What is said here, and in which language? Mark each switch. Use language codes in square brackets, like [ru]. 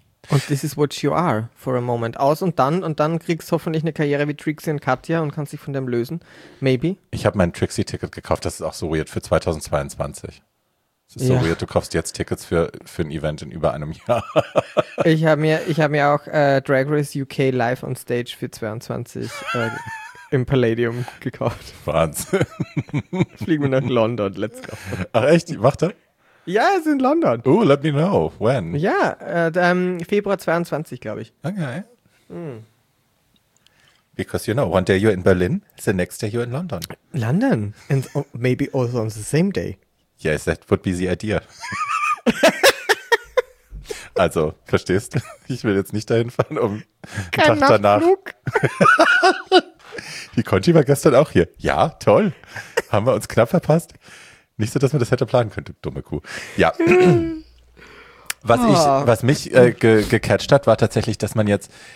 [de] Und [en] this is what you are for a moment. [de] Aus und dann kriegst du hoffentlich eine Karriere wie Trixie und Katja und kannst dich von dem lösen. [en] Maybe. [de] Ich habe mein Trixie-Ticket gekauft, das ist auch so weird, für 2022. Das ist so weird, du kaufst jetzt Tickets für ein Event in über einem Jahr. Ich hab mir auch Drag Race UK [en] live on stage [de] für 22 im Palladium gekauft. Wahnsinn. Fliegen wir nach London, [en] let's go. [de] Ach echt, warte. Ja, es ist in London. [en] Oh, let me know. When? [de] Ja, Februar 22, glaube ich. Okay. [en] Because you know, one day you're in Berlin, the next day you're in London. London? And maybe also on the same day. Yes, that would be the idea. [de] Also, verstehst du? Ich will jetzt nicht dahin fahren, um einen Tag danach. Die Conti war gestern auch hier. Ja, toll. Haben wir uns knapp verpasst? Nicht so, dass man das hätte planen können, dumme Kuh. Ja. Was mich gecatcht hat, war tatsächlich, dass man jetzt